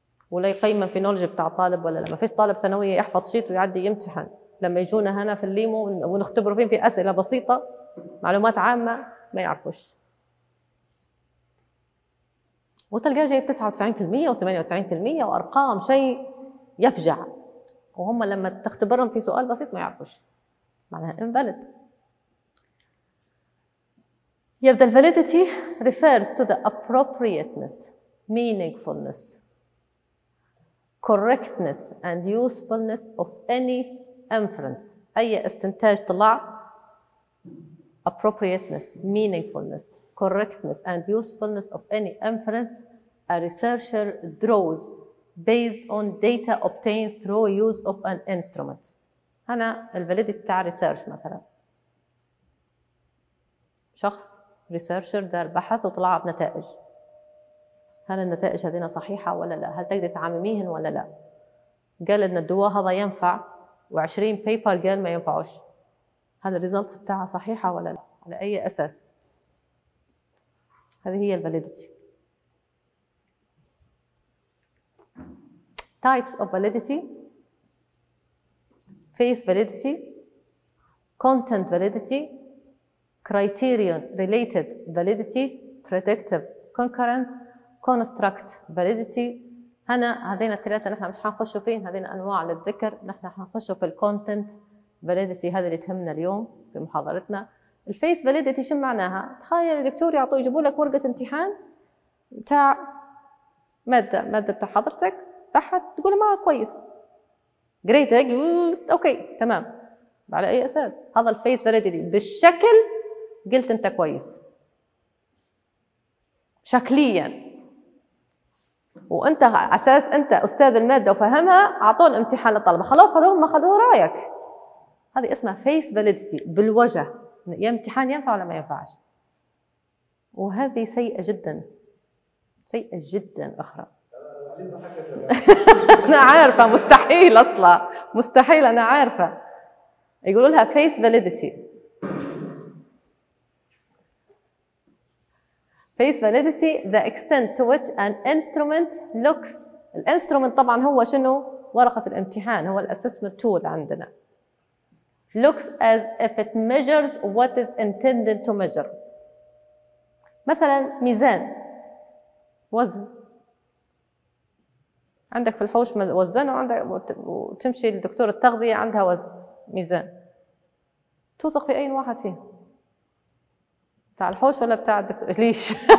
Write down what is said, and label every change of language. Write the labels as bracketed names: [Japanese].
[Arabic] ولا يقيم في knowledge بتاع الطالب ولا لا. ما فيش طالب ثانوية يحفظ شيت ويعدي يمتحن، لما يجونا هنا في الليمو ونختبروا فيهم في أسئلة بسيطة معلومات عامة ما يعرفوش، وتلقى جايب 99% و98% وأرقام شيء يفجع، وهم لما تختبرهم في سؤال بسيط ما يعرفوش، معناها invalid. يبدأ [English] validity refers to the appropriateness, meaningfulness, correctness and usefulness of any inference. [Arabic] أي استنتاج طلع [English] appropriateness, meaningfulness, correctness and usefulness of any inference a researcher draws based on data obtained through use of an instrument. [Arabic] أنا الفاليديتي بتاع ريسيرش مثلا، شخص ريسيرشر دار بحث وطلع بنتائج، هل النتائج هذين صحيحة ولا لا؟ هل تقدر تعمميهن ولا لا؟ قال إن الدواء هذا ينفع وعشرين بيبر قال ما ينفعوش، هل الريزلت بتاعها صحيحة ولا لا؟ على أي أساس؟ هذه هي الفاليديتي. [English] Types of validity: face validity, content validity, criterion related validity, predictive concurrent, construct validity. [Arabic] هنا هذين الثلاثة نحن مش حنخشوا فيهن، هذين أنواع للذكر، نحن حنخشوا في content validity، هذا اللي تهمنا اليوم في محاضرتنا. الface validity شو معناها؟ تخيل الدكتور يعطوه يجيبوا لك ورقة امتحان بتاع مادة بتاع حضرتك بحث، تقول ما كويس [English] great okay [Arabic] تمام، على اي اساس هذا الفيس فاليديتي؟ بالشكل قلت انت كويس شكليا، وانت اساس انت استاذ الماده وفهمها اعطوه الامتحان للطلبه خلاص، هذول ما خذوا رايك، هذه اسمها فيس فاليديتي بالوجه، يا امتحان ينفع ولا ما ينفعش، وهذه سيئه جدا سيئه جدا اخرى. أنا عارفة مستحيل أصلا، مستحيل، أنا عارفة يقولوا لها face validity. [English] Face validity the extent to which an instrument looks. [Arabic] الانسترومنت طبعا هو شنو؟ ورقة الامتحان، هو الاسسمنت تول عندنا. [English] Looks as if it measures what is intended to measure. [Arabic] مثلا ميزان وزن، عندك في الحوش وزن وعندك وتمشي لدكتور التغذية عندها وزن ميزان، توثق في أي واحد فيه؟ بتاع الحوش ولا بتاع الدكتور؟ ليش؟